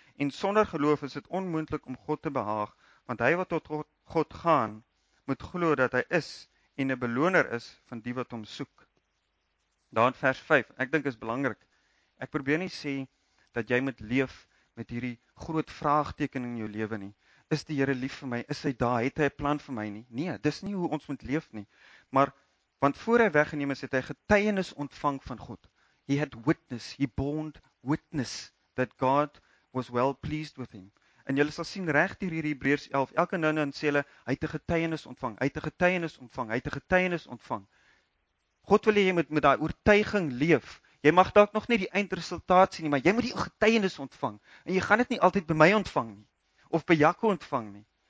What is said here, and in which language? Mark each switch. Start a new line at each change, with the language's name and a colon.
Afrikaans: En sonder geloof is het onmoontlik om God te behaag, want hy wat tot God gaan, moet glo dat hy is en 'n beloner is van die wat hom soek. Daar in vers 5, ek dink is belangrik. Ek probeer nie sê dat jy moet leef met hierdie groot vraagteken in jou lewe nie. Is die Here lief vir my? Is hy daar? Het hy 'n plan vir my nie? Nee, dis nie hoe ons moet leef nie. Maar want voor hy weggeneem is, het hy getuienis ontvang van God.
English: He had witness, he bound witness that God was well pleased with him.
Afrikaans: En julle sal sien reg hier in Hebreërs 11, elke nou en dan sê hulle, hy het 'n getuienis ontvang, hy het 'n getuienis ontvang, hy het 'n getuienis ontvang. God wil jy met daai oortuiging leef. Jy mag dalk nog nie die eindresultaat sien nie, maar jy moet die getuienis ontvang. En jy gaan dit nie altyd by my ontvang nie, of by Jaco ontvang nie.